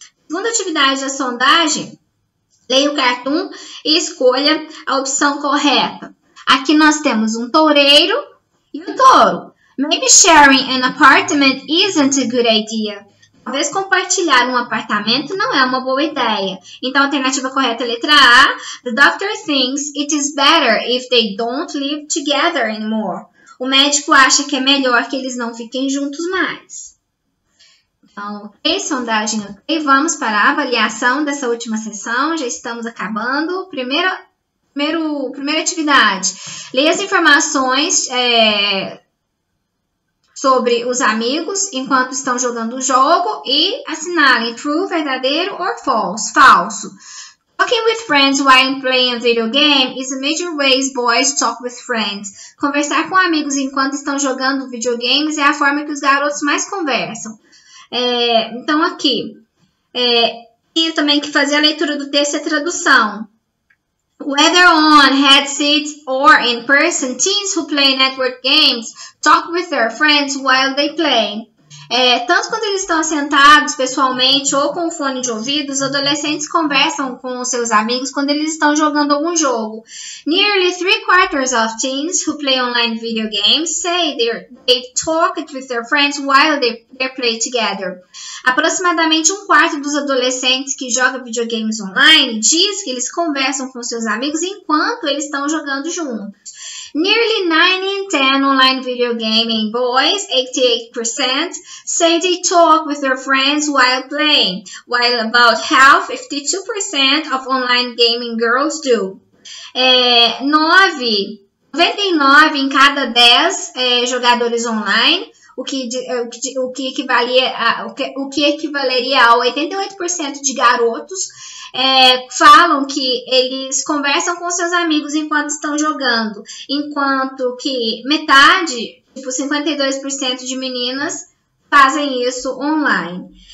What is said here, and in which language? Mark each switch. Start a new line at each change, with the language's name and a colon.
Portuguese: Segunda atividade da sondagem, leia o cartoon e escolha a opção correta. Aqui nós temos um toureiro e um touro.
English: Maybe sharing an apartment isn't a good idea.
Portuguese: Talvez compartilhar um apartamento não é uma boa ideia. Então, a alternativa correta é a letra A.
English: The doctor thinks it is better if they don't live together anymore.
Portuguese: O médico acha que é melhor que eles não fiquem juntos mais. Então, ok, sondagem, ok. Vamos para a avaliação dessa última sessão. Já estamos acabando. Primeira atividade. Leia as informações sobre os amigos enquanto estão jogando o jogo e assinale true, verdadeiro ou false. Falso.
English: Talking with friends while playing a video game is a major way boys talk with friends.
Portuguese: Conversar com amigos enquanto estão jogando videogames é a forma que os garotos mais conversam. Então, aqui, tinha também que fazer a leitura do texto e a tradução.
English: Whether on headsets or in person, teens who play network games talk with their friends while they play.
Portuguese: Tanto quando eles estão sentados pessoalmente ou com fone de ouvido, os adolescentes conversam com seus amigos quando eles estão jogando algum jogo.
English: Nearly three quarters of teens who play online video games say they talk with their friends while they play together.
Portuguese: Aproximadamente um quarto dos adolescentes que jogam videogames online diz que eles conversam com seus amigos enquanto eles estão jogando juntos.
English: Nearly 9 in 10 online video gaming boys, 88%, say they talk with their friends while playing, while about half, 52% of online gaming girls do.
Portuguese: 99 em cada 10 jogadores online, o que equivaleria a 88% de garotos, falam que eles conversam com seus amigos enquanto estão jogando, enquanto que metade, tipo 52% de meninas, fazem isso online.